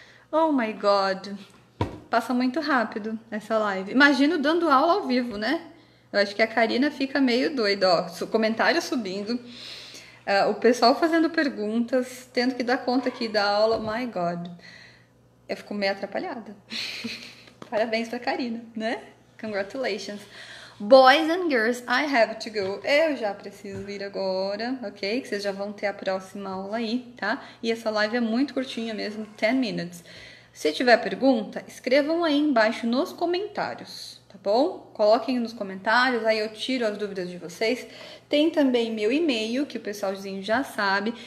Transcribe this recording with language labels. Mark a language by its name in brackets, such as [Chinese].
[English] Oh my god, [Portuguese] passa muito rápido essa live. Imagino dando aula ao vivo, né? Eu acho que a Karina fica meio doida, ó. Comentário subindo. O pessoal fazendo perguntas, tendo que dar conta aqui da aula, [English] my God. [Portuguese] Eu fico meio atrapalhada. Parabéns pra Karina, né? [English] Congratulations. Boys and girls, I have to go. [Portuguese] Eu já preciso ir agora, ok? Que vocês já vão ter a próxima aula aí, tá? E essa live é muito curtinha mesmo, [English] 10 minutes. [Portuguese] Se tiver pergunta, escrevam aí embaixo nos comentários. Tá bom? Coloquem nos comentários, aí eu tiro as dúvidas de vocês. Tem também meu e-mail, que o pessoalzinho já sabe.